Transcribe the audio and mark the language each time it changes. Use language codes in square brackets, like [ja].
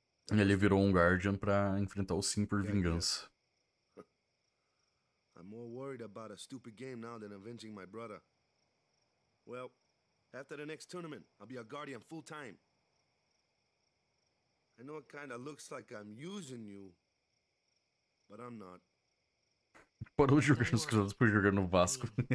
[pt] Ele virou um Guardian pra enfrentar o Sin por vingança. [en] I'm more worried about a stupid game now than avenging my brother. Well, after the next tournament, I'll be a Guardian full time. I know it kind of looks like I'm using you, but I'm not. [pt] Parou de jogar nos cruzados por jogar no Vasco.